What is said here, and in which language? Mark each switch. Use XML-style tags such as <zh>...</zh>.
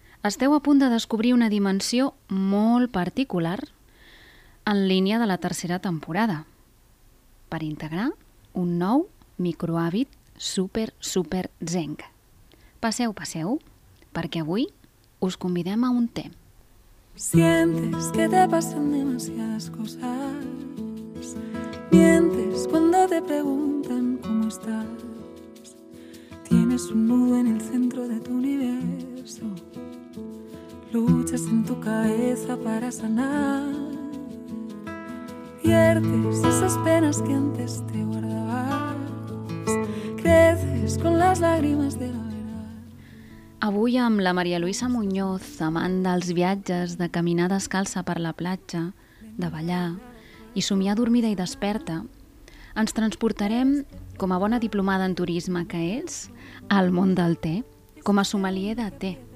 <ca>Esteu a punt de descobrir una dimensió molt particular en línia de la tercera temporada per integrar un nou microhàbit super, super zen. Passeu, passeu, perquè avui us convidem a un te.</ca> <es>Sientes que te pasan demasiadas cosas. Mientes cuando te preguntan cómo estás. Tienes un nudo en el centro de tu universo. Luchas en tu cabeza para sanar. Pierdes esas penas que antes te guardabas. Creces con las lágrimas de la</es> <ca>Avui amb la Maria Luisa Muñoz, amant dels viatges, de caminar descalça per la platja, de ballar i somiar dormida i desperta, ens transportarem, com a bona diplomada en turisme que és, al món del te, com a sommelier de te.</ca>